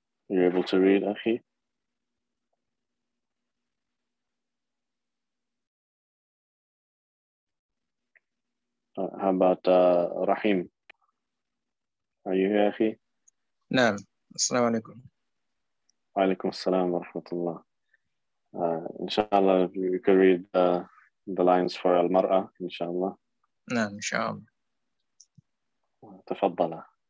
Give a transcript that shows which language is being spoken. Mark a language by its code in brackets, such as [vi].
[en] You're able to read, أخي? How about رحيم? Are you here, أخي? [ar] نعم. السلام عليكم. وعليكم السلام ورحمة الله. [en] Inshallah, you could read the lines for Al-Mar'a, inshallah. No, inshallah. [ar] Tafaddala.